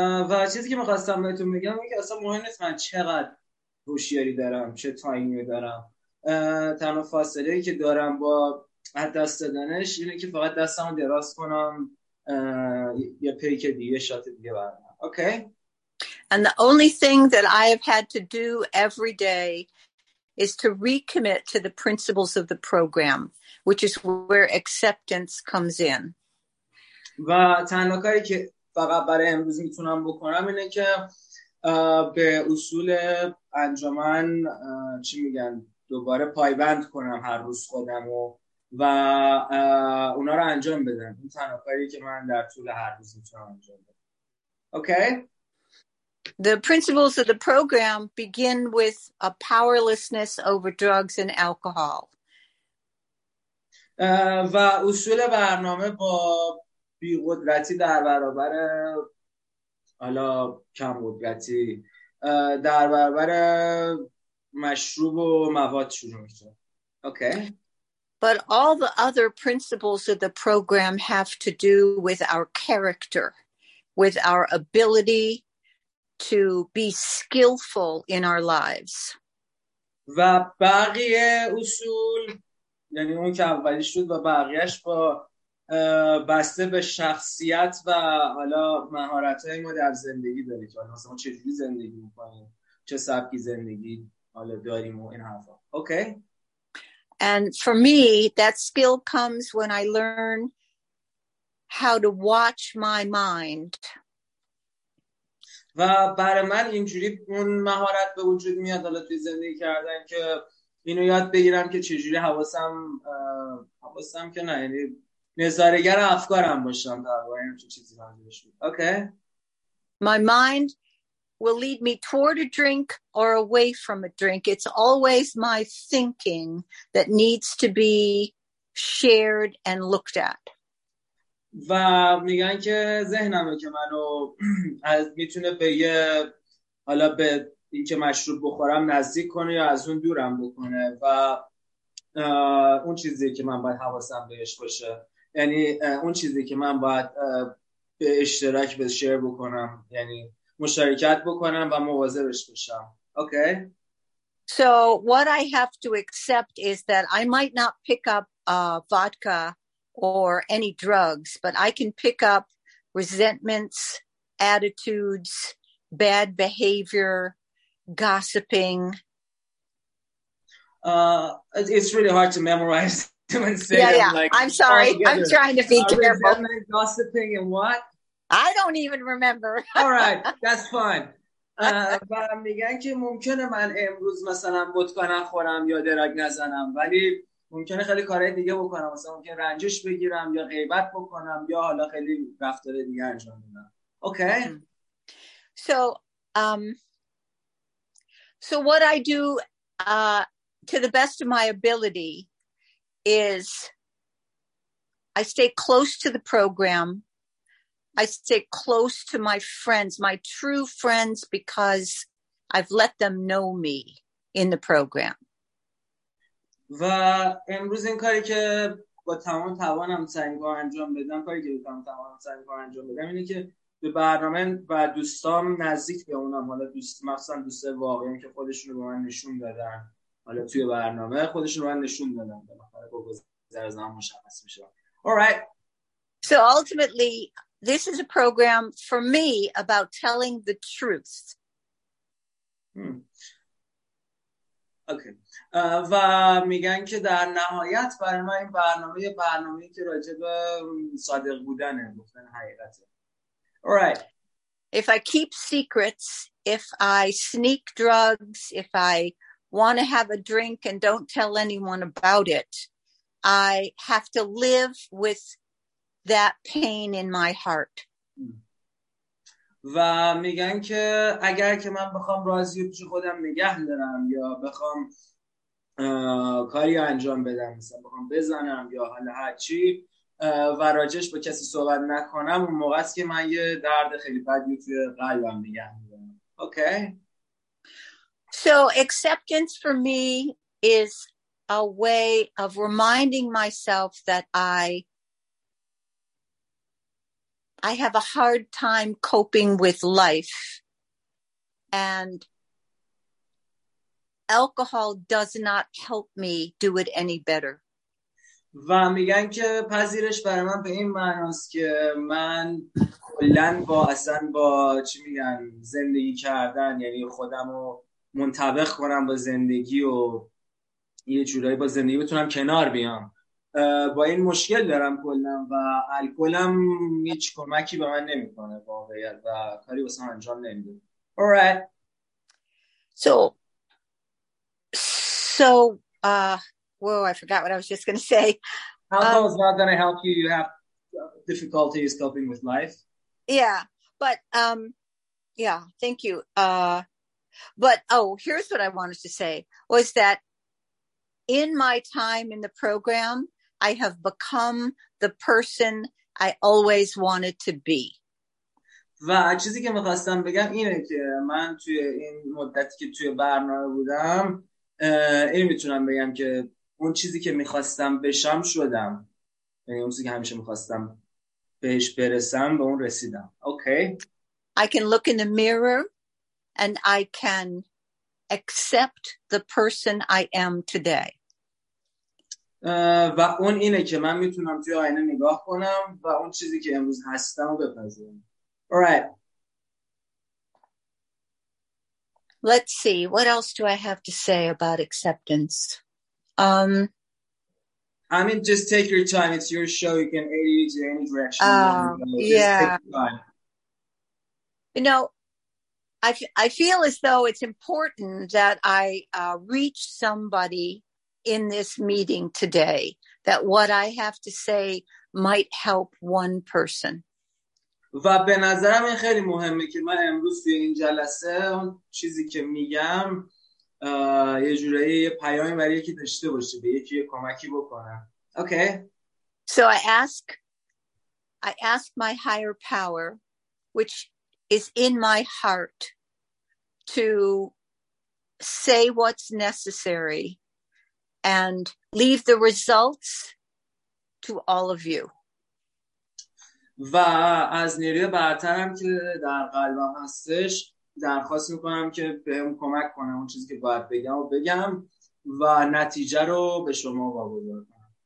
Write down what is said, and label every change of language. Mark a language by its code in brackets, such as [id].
[fa] و چیزی که می‌خواستم بهتون بگم اینکه اصلا مهم نیست من چقدر هوشیاری دارم، چه تایمی دارم. تنها فاصله ای که دارم با حد دست دادنش اینه که فقط دستمو دراز کنم یه پیک دیگه، شات دیگه برم. [en] Okay. And the only thing that I have had to do every day is to recommit to the principles of the program, which is where acceptance comes in. [fa] و تنها کاری که فقط برای امروز میتونم بکنم اینه که به اصول انجمن چی میگن دوباره پایبند کنم هر روز خودم و اونا رو انجام بدم. این تنها کاری که من در طول هر روز میتونم انجام بدم. [en] Okay. The principles of the program begin with a powerlessness over drugs and alcohol. [fa] و اصول برنامه با بی‌قدرتی در برابر حالا کم‌قدرتی در برابر مشروب و مواد شروع می‌شه. [en] Okay. But all the other principles of the program have to do with our character, with our ability to be skillful in our lives. [fa] و بقیه اصول، یعنی اون که اولیش بود و بقیهش، با بسته به شخصیت و حالا مهارت‌های ما در زندگی داره که مثلا چه جوری زندگی می‌کنیم، چه سبکی زندگی حالا داریم و این حرفا. [en] Okay. And for me that skill comes when I learn how to watch my mind. [fa] و برای من اینجوری اون مهارت به وجود میاد الان توی زندگی کردن که اینو یاد بگیرم که چجوری حواسم که نه یعنی نظارگر افکارم باشم در واقع همچین چیزی باید بشم. [en] Okay. My mind will lead me toward a drink or away from a drink. It's always my thinking that needs to be shared and looked at. [fa] و میگن که ذهنمه که منو از میتونه به یه حالا به این که مشروب بخورم نزدیک کنه یا از اون دورم بکنه و اون چیزی که من باید حواسم بهش باشه یعنی اون چیزی که من باید به اشتراک به شیر بکنم یعنی مشارکت بکنم و مواظبش بشم. [en] Okay. So what I have to accept is that I might not pick up vodka or any drugs, but I can pick up resentments, attitudes, bad behavior, gossiping. It's really hard to memorize them and say like, I'm sorry, I'm trying to be careful. Resentment, gossiping, and what? I don't even remember. All right, that's fine. [fa] و میگن که ممکنه من امروز مثلا وودکا نخورم یا درگ نزنم ولی ممکنه خیلی کارهای دیگه بکنم مثلا ممکنه رنجش بگیرم یا غیبت بکنم یا حالا خیلی رفتار دیگه انجام بدم. [en] Okay. So what I do to the best of my ability is I stay close to the program. I stay close to my friends, my true friends, because I've let them know me in the program. [fa] و امروز این کاری که با تمام توانم سعی می‌کنم انجام بدم، کاری که با تمام توانم سعی می‌کنم انجام بدم اینه که به برنامه و دوستام نزدیک بمونم، حالا دوست مخصوصا دوست واقعی که خودشون رو به من نشون دادن، حالا توی برنامه خودشون رو به من نشون دادن، بالاخره بگذر زمان مشخص میشه. [en] All right. So ultimately this is a program for me about telling the truth. Okay. [fa] و میگن که در نهایت برای من این برنامه برنامه‌ای که راجع به صادق بودنه، گفتن حقیقته. [en] All right. If I keep secrets, if I sneak drugs, if I want to have a drink and don't tell anyone about it, I have to live with that pain in my heart. [fa] و میگن که اگر که من بخوام رازی رو خودم نگه دارم یا بخوام کاری انجام بدم، مثلا بخوام بزنم یا حالا هر چی و راجش با کسی صحبت نکنم، اون موقع است که من یه درد خیلی بدی توی قلبم نگه دارم. [en] Okay. So acceptance for me is a way of reminding myself that I have a hard time coping with life, and alcohol does not help me do it any better. [fa] و میگن که پذیرش برای من به این معناست که من کلن با اصلا با چی میگن زندگی کردن، یعنی خودم رو منطبق کنم با زندگی و یه جورایی با زندگی بتونم کنار بیام، با این مشکل دارم کلم و الکلم هیچ کمکی به من نمیکنه واقعیت و کاری واسه من انجام نمیده. [en] All right. So I forgot what I was just going to say. Alcohol is not going to help you. You have difficulties coping with life. Yeah, but yeah, thank you. Here's what I wanted to say was that in my time in the program, I have become the person I always wanted to be. [fa] و چیزی که می‌خواستم بگم اینه که من توی این مدتی که توی برنامه بودم این میتونم بگم که اون چیزی که می‌خواستم بشم شدم. یعنی اون چیزی که همیشه می‌خواستم بهش برسم به اون رسیدم. [en] Okay. I can look in the mirror and I can accept the person I am today. [fa] و اون اینه که من میتونم توی آینه نگاه کنم و اون چیزی که امروز هستم رو بپذیرم. [en] All right. Let's see. What else do I have to say about acceptance? I mean, just take your time. It's your show. You can aid you to any direction. You know, just yeah. You know, I feel as though it's important that I reach somebody in this meeting today, that what I have to say might help one person. [fa] و به نظرم این خیلی مهمه که من امروز توی این جلسه چیزی که میگم یه جورایی یه پیامی برای یکی داشته باشه، به یکی یه کمکی بکنم. [en] Okay. So I ask my higher power, which is in my heart, to say what's necessary and leave the results to all of you. [fa] و از نیروی برترم که در قلبم هستش درخواست میکنم که بهم کمک کنم اون چیزی که باید بگم و بگم و نتیجه رو به شما واگذار کنم.